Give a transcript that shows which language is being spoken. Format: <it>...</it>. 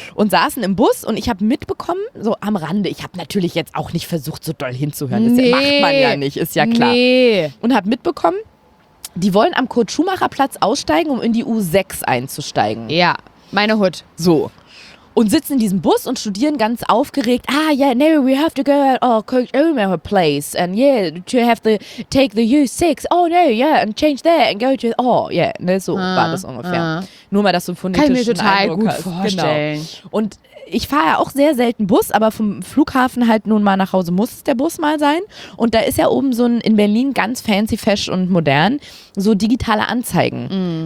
<de>Und saßen im Bus und ich habe mitbekommen, so am Rande, ich habe natürlich jetzt auch nicht versucht, so doll hinzuhören. Das macht man ja nicht, ist ja klar. Nee. Und habe mitbekommen, die wollen am Kurt-Schumacher-Platz aussteigen, um in die U6 einzusteigen. Ja, meine Hut. So. Und sitzen in diesem Bus und studieren ganz aufgeregt.</de> <en>Ah, yeah, no, we have to go at Kurt Schumacher place. And yeah, to have to take the U6. Oh, no, yeah, and change that and go to... Oh, yeah,</en> <de>ne, so war das ungefähr. Nur mal, dass du phonetischen Eindruck hast. Kann ich mir total gut vorstellen. Genau. Und ich fahre ja auch sehr selten Bus, aber vom Flughafen halt nun mal nach Hause muss der Bus mal sein. Und da ist ja oben so ein, in Berlin ganz fancy, fesch und modern, so digitale Anzeigen.</de>